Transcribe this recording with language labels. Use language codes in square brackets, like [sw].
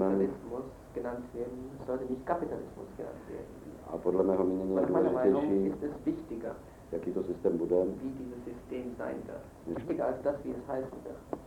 [de] Kapitalismus genannt werden, sollte nicht Kapitalismus genannt werden. [cs] A podle mého mínění je důležitější, jaký to systém bude. [de] Wie dieses System sein wird. Wichtiger als das, wie es heißen wird.